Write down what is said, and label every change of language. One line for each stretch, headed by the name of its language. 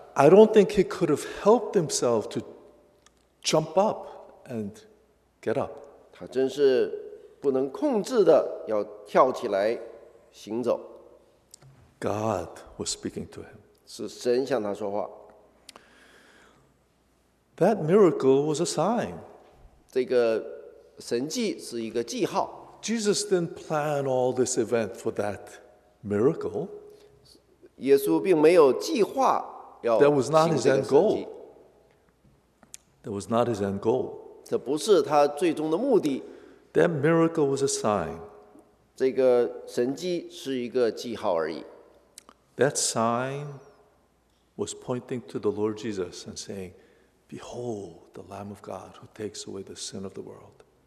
English: I don't think he could have helped himself to jump up and get up.
Chinese: 他真是不能控制的要跳起来行走。
English: God was speaking to him.
Chinese: 是神向他说话。
English: That miracle was a sign.
Chinese: 这个神迹是一个记号。
English: Jesus didn't plan all this event for that miracle.
Chinese: 耶稣并没有计划要行这个神迹。
English: That was not his end goal. That was not his end goal.
Chinese: 这不是他最终的目的。
English: That miracle was a sign.
Chinese: 这个神迹是一个记号而已。
English: That sign was pointing to the Lord Jesus and saying, "Behold, the Lamb of God who takes away the sin of the world."